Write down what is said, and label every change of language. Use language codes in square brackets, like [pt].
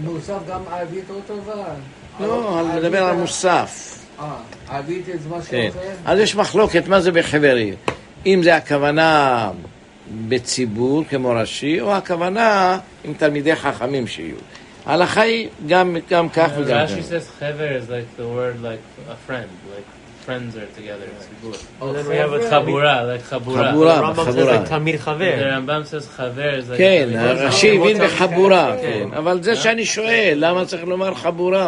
[he] מוסף גם אבית אותו דבר. לא, אני מדבר על מוסף. אבית את מה שאוכל? אז יש מחלוקת, מה זה בחברי? אם זה הכוונה בציבור כמו רש"י, או הכוונה עם תלמידי חכמים שיהיו. ההלכה היא גם כך וגם כך. [en] רש"י says חבר is like the word like a friend, like friends are together, ציבור. We have a חבורה, like חבורה. [he] חבורה, חבורה. רמב"ם says תלמיד חבר. [en] רמב"ם says חבר is [he] like... כן, רש"י הבין בחבורה. אבל זה שאני שואל, למה צריך לומר חבורה?